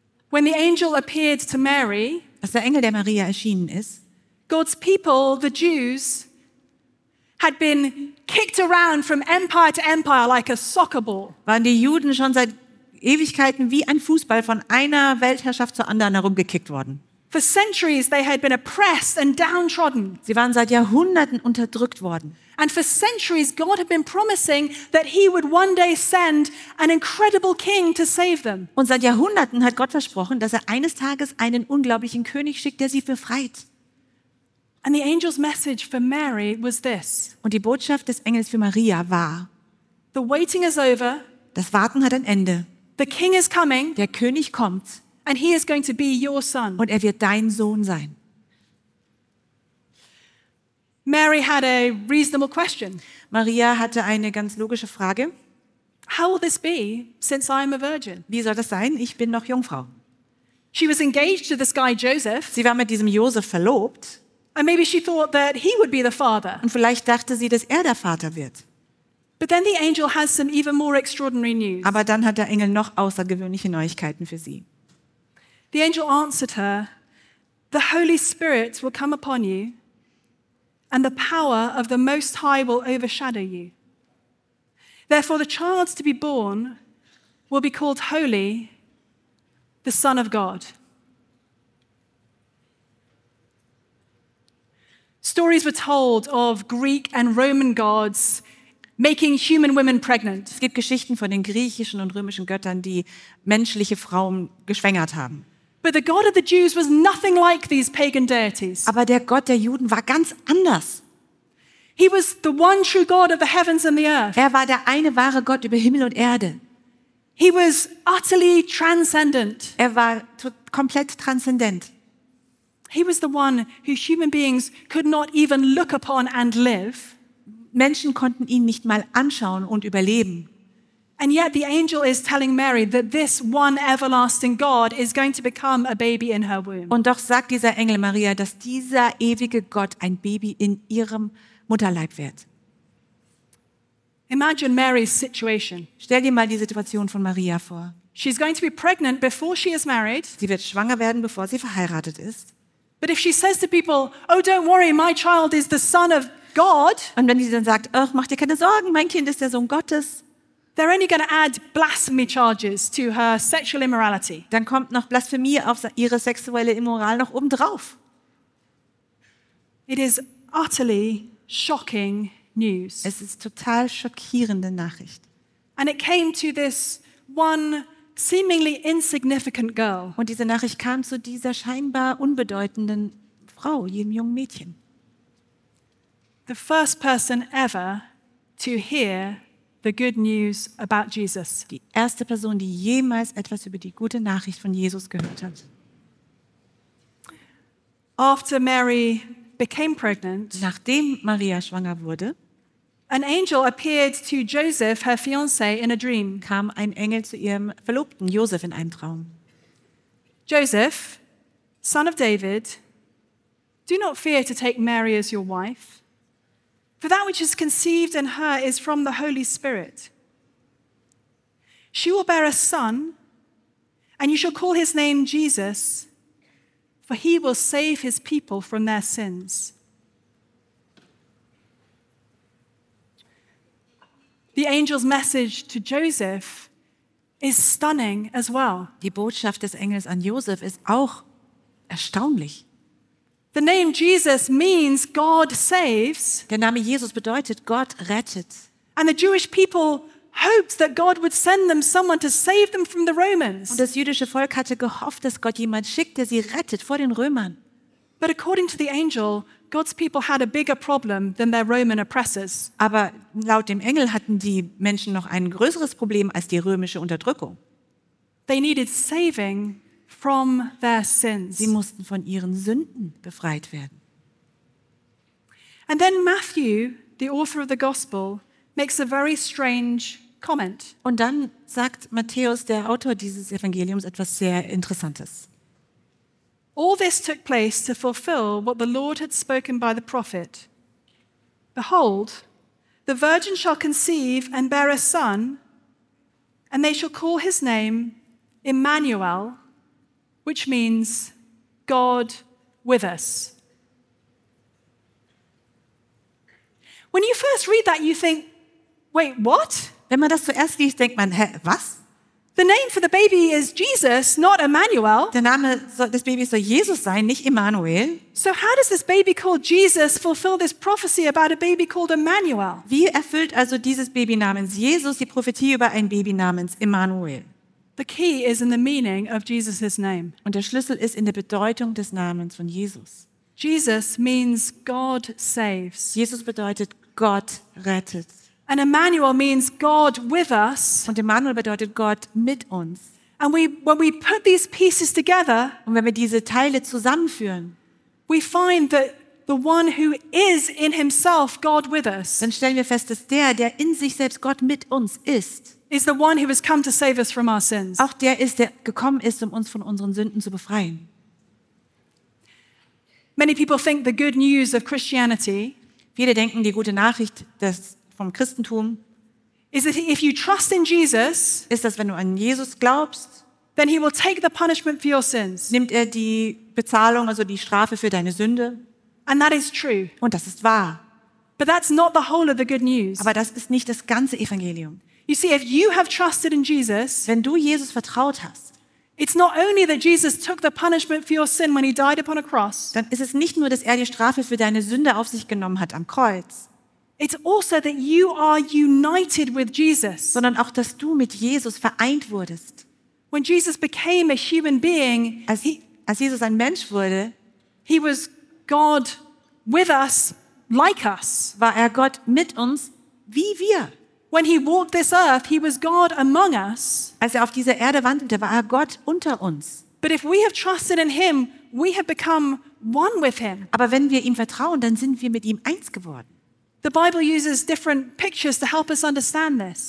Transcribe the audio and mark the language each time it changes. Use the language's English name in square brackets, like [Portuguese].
[English] When the angel appeared to Mary, [German] als der Engel der Maria erschienen ist, [English] God's people, the Jews, had been kicked around from empire to empire like a soccer ball. [German] Waren die Juden schon seit Ewigkeiten wie ein Fußball von einer Weltherrschaft zur anderen herumgekickt worden? [English] For centuries they had been oppressed and downtrodden. [German] Sie waren seit Jahrhunderten unterdrückt worden. [English] And for centuries God had been promising that he would one day send an incredible king to save them. [German] Und seit Jahrhunderten hat Gott versprochen, dass eines Tages einen unglaublichen König schickt, der sie befreit. [English] And the angel's message for Mary was this. [German] Und die Botschaft des Engels für Maria war: [English] The waiting is over. [German] Das Warten hat ein Ende. [English] The king is coming. [German] Der König kommt. [English] And he is going to be your son. [German] Und wird dein Sohn sein. [English] Mary had a reasonable question. [German] Maria hatte eine ganz logische Frage. [English] How will this be, since I am a virgin? [German] Wie soll das sein? Ich bin noch Jungfrau. [English] She was engaged to this guy Joseph. [German] Sie war mit diesem Josef verlobt. [English] And maybe she thought that he would be the father. [German] Und vielleicht dachte sie, dass der Vater wird. [English] But then the angel has some even more extraordinary news. [German] Aber dann hat der Engel noch außergewöhnliche Neuigkeiten für sie. [English] The angel answered her, "The Holy Spirit will come upon you, and the power of the Most High will overshadow you. Therefore, the child to be born will be called Holy, the Son of God." Stories were told of Greek and Roman gods making human women pregnant. [German] Es gibt Geschichten von den griechischen und römischen Göttern, die menschliche Frauen geschwängert haben. [English] But the God of the Jews was nothing like these pagan deities. [German] Aber der Gott der Juden war ganz anders. [English] He was the one true God of the heavens and the earth. [German] War der eine wahre Gott über Himmel und Erde. [English] He was utterly transcendent. [German] War komplett transzendent. [English] He was the one who human beings could not even look upon and live. [German] Menschen konnten ihn nicht mal anschauen und überleben. [English] And yet the angel is telling Mary that this one everlasting God is going to become a baby in her womb. [German] Und doch sagt dieser Engel Maria, dass dieser ewige Gott ein Baby in ihrem Mutterleib wird. [English] Imagine Mary's situation. [German] Stell dir mal die Situation von Maria vor. [English] She's going to be pregnant before she is married. [German] Sie wird schwanger werden, bevor sie verheiratet ist. [English] But if she says to people, "Oh, don't worry, my child is the son of God." [German] Und wenn sie dann sagt, ach, mach dir keine Sorgen, mein Kind ist der Sohn Gottes. [English] They're only going to add blasphemy charges to her sexual immorality. [German] Dann kommt noch Blasphemie auf ihre sexuelle Immoral noch oben drauf. [English] It is utterly shocking news. [German] Es ist total schockierende Nachricht. [English] And it came to this one seemingly insignificant girl. [German] Und diese Nachricht kam zu dieser scheinbar unbedeutenden Frau, jedem jungen Mädchen. [English] The first person ever to hear the good news about Jesus. [German] Die erste Person, die jemals etwas über die gute Nachricht von Jesus gehört hat. [English] After Mary became pregnant, [German] nachdem Maria schwanger wurde, [English] an angel appeared to Joseph, her fiancé, in a dream. [German] Kam ein Engel zu ihrem Verlobten Joseph in einem Traum. [English] Joseph, son of David, do not fear to take Mary as your wife. For that which is conceived in her is from the Holy Spirit. She will bear a son, and you shall call his name Jesus, for he will save his people from their sins. The angel's message to Joseph is stunning as well. [German] Die Botschaft des Engels an Joseph ist auch erstaunlich. [English] The name Jesus means God saves. [German] Der Name Jesus bedeutet Gott rettet. [English] And the Jewish people hoped that God would send them someone to save them from the Romans. [German] Und das jüdische Volk hatte gehofft, dass Gott jemand schickt, der sie rettet vor den Römern. [English] But according to the angel, God's people had a bigger problem than their Roman oppressors. [German] Aber laut dem Engel hatten die Menschen noch ein größeres Problem als die römische Unterdrückung. [English] They needed saving from their sins. [German] Sie mussten von ihren Sünden befreit werden. [English] And then Matthew, the author of the gospel, makes a very strange comment. [German] Und dann sagt Matthäus, der Autor dieses Evangeliums, etwas sehr Interessantes. [English] All this took place to fulfill what the Lord had spoken by the prophet. Behold, the virgin shall conceive and bear a son, and they shall call his name Emmanuel, which means God with us. When you first read that, you think, wait, what? [German] Wenn man das zuerst liest, denkt man, hä, was? [English] The name for the baby is Jesus, not Emmanuel. [German] Der Name des Babys soll Jesus sein, nicht Emmanuel. [English] So how does this baby called Jesus fulfill this prophecy about a baby called Emmanuel? [German] Wie erfüllt also dieses Baby namens Jesus die Prophetie über ein Baby namens Emmanuel? [English] The key is in the meaning of Jesus' name. [German] Und der Schlüssel ist in der Bedeutung des Namens von Jesus. [English] Jesus means God saves. [German] Jesus bedeutet Gott rettet. [English] And Emmanuel means God with us. [German] Und Emmanuel bedeutet Gott mit uns. [English] And when we put these pieces together, [German] und wenn wir diese Teile zusammenführen, [English] we find that the one who is in himself God with us, [German] dann stellen wir fest, dass der in sich selbst Gott mit uns ist, [English] is the one who has come to save us from our sins. [German] Auch der ist, der gekommen ist, um uns von unseren Sünden zu befreien. [English] Many people think the good news of Christianity, [German] viele denken die gute Nachricht des vom Christentum, [English] is it if you trust in Jesus, [German] ist das, wenn du an Jesus glaubst, [English] then he will take the punishment for your sins. [German] Nimmt er die Bezahlung, also die Strafe für deine Sünde. [English] And that is true. [German] Und das ist wahr. [English] But that's not the whole of the good news. [German] Aber das ist nicht das ganze Evangelium. [English] You see, if you have trusted in Jesus, [German] wenn du Jesus vertraut hast, [English] it's not only that Jesus took the punishment for your sin when he died upon a cross. [German] Dann ist es nicht nur, dass er die Strafe für deine Sünde auf sich genommen hat am Kreuz. [English] It's also that you are united with Jesus, [German] sondern auch, dass du mit Jesus vereint wurdest. [English] When Jesus became a human being, [German] als Jesus ein Mensch wurde, [English] he was God with us, like us. [German] War er Gott mit uns, wie wir? [English] When he walked this earth, he was God among us. [German] Als er auf dieser Erde wandelte, war er Gott unter uns. [English] But if we have trusted in him, we have become one with him. [German] Aber wenn wir ihm vertrauen, dann sind wir mit ihm eins geworden. [English] The Bible uses different pictures to help us understand this.